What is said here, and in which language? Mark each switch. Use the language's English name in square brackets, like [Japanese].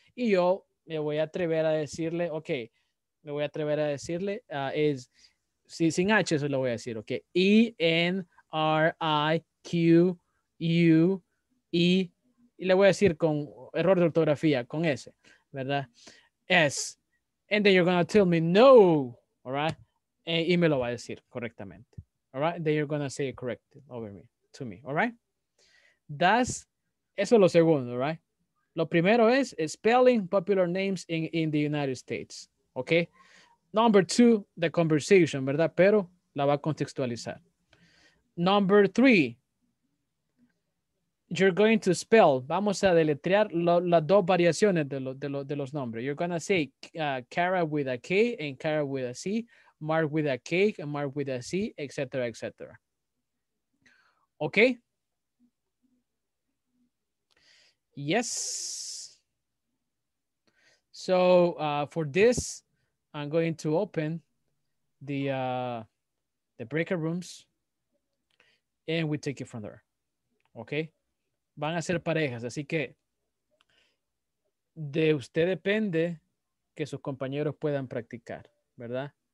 [Spanish] Y yo me voy a atrever a decirle, okay, me voy a atrever a decirle, es, si sin H, eso lo voy a decir, okay, E-N-R-I-Q-U-E, y le voy a decir con error de ortografía, con S, ¿verdad? [English] S, and then you're going to tell me no, all right? [Spanish] Y me lo va a decir correctamente, [English] all right? Then you're going to say it correctly over me, to me, all right? That's, [Spanish] eso es lo segundo, [English] right? [Spanish] Lo primero es [English] spelling popular names in the United States, okay? Number two, the conversation, [Spanish] ¿verdad? Pero la va a contextualizar. [English] Number three, you're going to spell, [Spanish] vamos a deletrear las dos variaciones de los nombres. [English] You're going to say Cara with a K and Cara with a C, Mark with a K and Mark with a C, etc., etc. Okay? Yes. So for this, I'm going to open the breakout rooms and we take it from there. [Spanish] Okay. Van a ser parejas. Así que de usted depende que sus compañeros puedan practicar, ¿verdad?